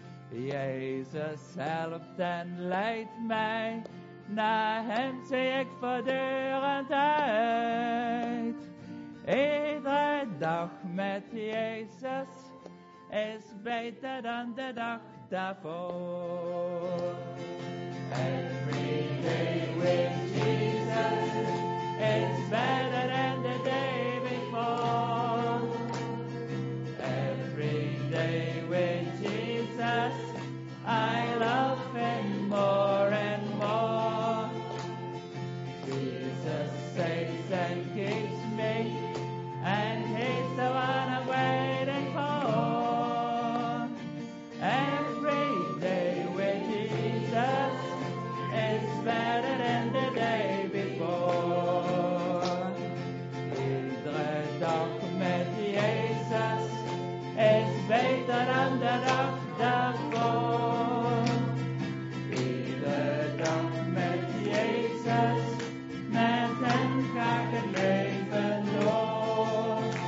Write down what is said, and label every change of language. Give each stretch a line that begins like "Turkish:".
Dutch: Jezus helpt en leidt mij, naar Hem zie ik voortdurend uit. Iedere dag met Jezus is beter dan de dag daarvoor.
English: Every day with Jesus is better than the day before. Every day with Jesus I love Him more and more. Jesus saves and keeps me, and He's the one I'm waiting for. Every day with Jesus is better than the day before.
Dutch: Iedere dag met Jezus is beter dan de dag daarvoor. Iedere dag met Jezus, met Hem ga ik het leven door.